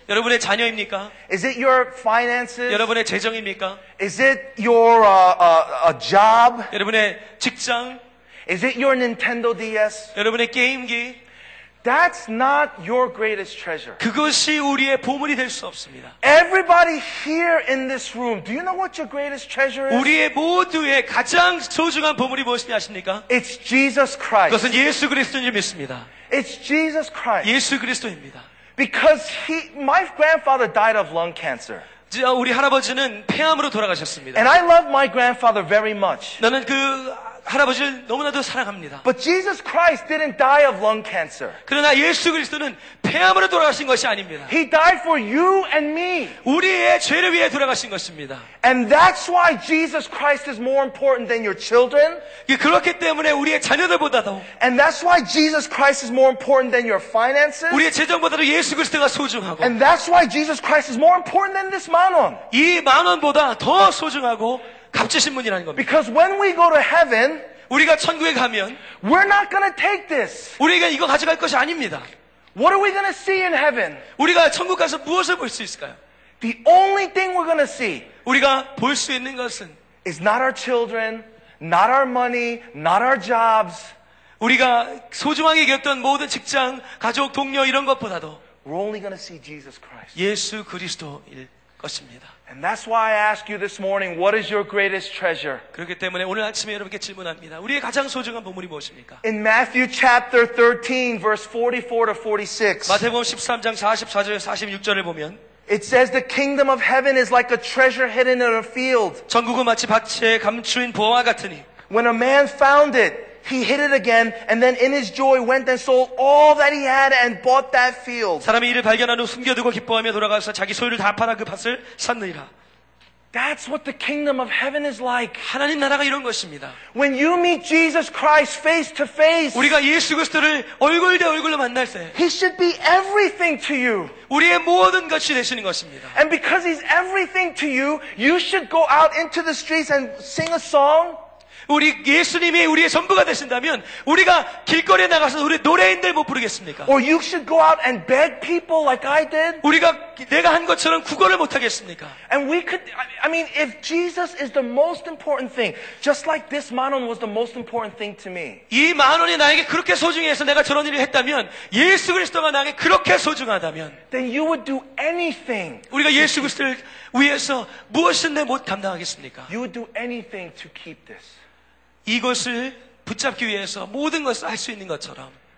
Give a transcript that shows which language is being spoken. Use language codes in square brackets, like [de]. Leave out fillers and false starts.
[ko] 여러분의 자녀입니까? [en] Is it your finances? [ko] 여러분의 재정입니까? [en] Is it your a job? [ko] 여러분의 직장? [en] Is it your Nintendo DS? [ko] 여러분의 게임기? [en] That's not your greatest treasure. [ko] 그것이 우리의 보물이 될 수 없습니다. [en] Everybody here in this room, do you know what your greatest treasure is? [ko] 우리의 모두의 가장 소중한 보물이 무엇인지 아십니까? [en] It's Jesus Christ. [ko] 그것은 예수 그리스도인 줄 믿습니다. [en] It's Jesus Christ. [ko] 예수 그리스도입니다. [en] Because my grandfather died of lung cancer. [ko] 우리 할아버지는 폐암으로 돌아가셨습니다. [en] And I love my grandfather very much. [ko] 나는 그 할아버지를 너무나도 사랑합니다. [en] But Jesus Christ didn't die of lung cancer. [ko] 그러나 예수 그리스도는 폐암으로 돌아가신 것이 아닙니다. [en] He died for you and me. [ko] 우리의 죄를 위해 돌아가신 것입니다. [en] And that's why Jesus Christ is more important than your children. [ko] 그렇기 때문에 우리의 자녀들보다도 [en] And that's why Jesus Christ is more important than your finances. [ko] 우리의 재정보다도 예수 그리스도가 소중하고 [en] And that's why Jesus Christ is more important than this 만원. [ko] 이 만원보다 더 소중하고 값지신 분이라는 겁니다. [en] Because when we go to heaven, [ko] 우리가 천국에 가면, [en] we're not going to take this. [ko] 우리가 이거 가져갈 것이 아닙니다. [en] What are we going to see in heaven? [ko] 우리가 천국 가서 무엇을 볼 수 있을까요? [en] The only thing we're going to see, [ko] 우리가 볼 수 있는 것은, [en] is not our children, not our money, not our jobs. [ko] 우리가 소중하게 겼던 모든 직장, 가족, 동료 이런 것보다도, [en] we're only going to see Jesus Christ. [ko] 예수 그리스도일 것입니다. [en] And that's why I ask you this morning, what is your greatest treasure? [ko] 그렇기 때문에 오늘 아침에 여러분께 질문합니다. 우리의 가장 소중한 보물이 무엇입니까? [en] In Matthew chapter 13, verse 44 to 46. [ko] 마태복음 13장 44절에서 46절을 보면. [en] It says the kingdom of heaven is like a treasure hidden in a field. [ko] 천국은 마치 밭에 감추인 보화 같으니. [en] When a man found it, he hid it again, and then in his joy went and sold all that he had and bought that field. [ko] 사람이 이를 발견한 후 숨겨두고 기뻐하며 돌아가서 자기 소유를 다 팔아 그 밭을 샀느니라. [en] That's what the kingdom of heaven is like. [ko] 하나님 나라가 이런 것입니다. [en] When you meet Jesus Christ face to face, [ko] 우리가 예수 그리스도를 얼굴 대 얼굴로 만날 때, [en] He should be everything to you. [ko] 우리의 모든 것이 되시는 것입니다. [en] And because He's everything to you, you should go out into the streets and sing a song. [ko] 우리 예수님이 우리의 전부가 되신다면 우리가 길거리에 나가서 우리 노래인들 못 부르겠습니까? [en] Or you should go out and beg people like I did. [ko] 우리가 내가 한 것처럼 구걸을 못 하겠습니까? [en] And we could, I mean, if Jesus is the most important thing, just like this 만원 was the most important thing to me. [ko] 이 만원이 나에게 그렇게 소중해서 내가 저런 일을 했다면 예수 그리스도가 나에게 그렇게 소중하다면, [en] then you would do anything. [ko] 우리가 예수 그리스도를 위해서 무엇인데 못 감당하겠습니까? [en] You would do anything to keep this. [ko] 이것을 붙잡기 위해서 모든 것을 할 수 있는 것처럼